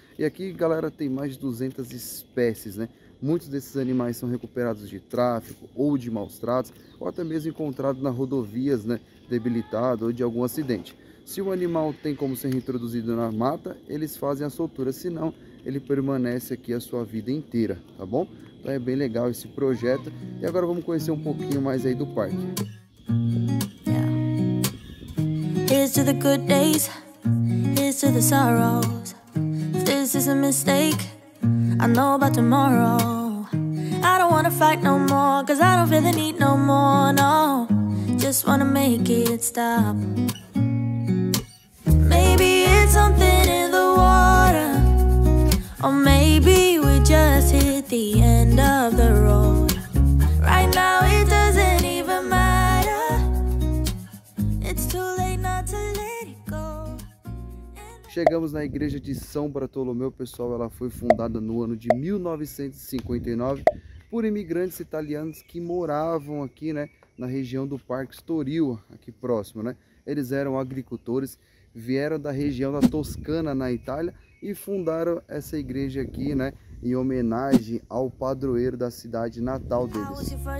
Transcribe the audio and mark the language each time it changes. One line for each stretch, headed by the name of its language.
Portuguese: E aqui, galera, tem mais de 200 espécies, né? Muitos desses animais são recuperados de tráfico ou de maus tratos, ou até mesmo encontrados nas rodovias, né, debilitado ou de algum acidente. Se o animal tem como ser reintroduzido na mata, eles fazem a soltura, senão ele permanece aqui a sua vida inteira, tá bom? Então é bem legal esse projeto. E agora vamos conhecer um pouquinho mais aí do parque.
English: Here's to the good days, here's to the sorrows. If this is a mistake, I know about tomorrow. I don't wanna fight no more, cause I don't feel the need no more, no. Just wanna make it stop. Maybe it's something in the water, or maybe we just hit the end of the road. Right now it doesn't even matter. It's too late not to let it go.
Portuguese: Chegamos na igreja de São Bartolomeu, pessoal. Ela foi fundada no ano de 1959 por imigrantes italianos que moravam aqui, né, na região do Parque Estoril, aqui próximo, né? Eles eram agricultores, vieram da região da Toscana, na Itália, e fundaram essa igreja aqui, né, em homenagem ao padroeiro da cidade natal deles.